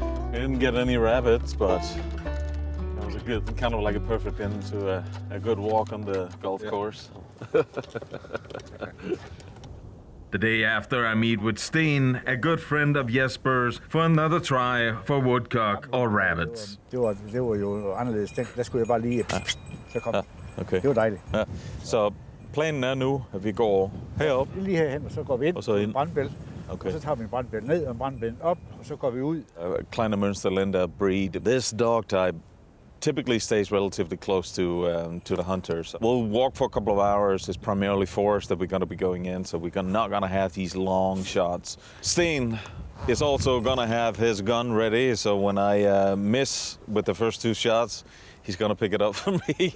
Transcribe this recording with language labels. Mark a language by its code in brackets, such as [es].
[en] We didn't get any rabbits, but it was a good, kind of like a perfect end to a good walk on the golf course. The day after, I meet with Steen, a good friend of Jesper's, for another try for woodcock or rabbits. [da] Det var jo anderledes. Der skulle jeg bare lige. Så kom. Okay. Det var dejligt. Så planen er nu, at vi går herop. Lige herhen, og så går vi ind. Og så ind. Brandbæl. Okay. Og så tager vi en brandbæl ned og en brandbæl op, og så går vi ud. [en] Kleiner Münsterländer breed. This dog type typically stays relatively close to the hunters. We'll walk for a couple of hours. It's primarily forest that we're going to be going in, so we're not going to have these long shots. Steen is also going to have his gun ready, so when I miss with the first two shots, he's going to pick it up for me.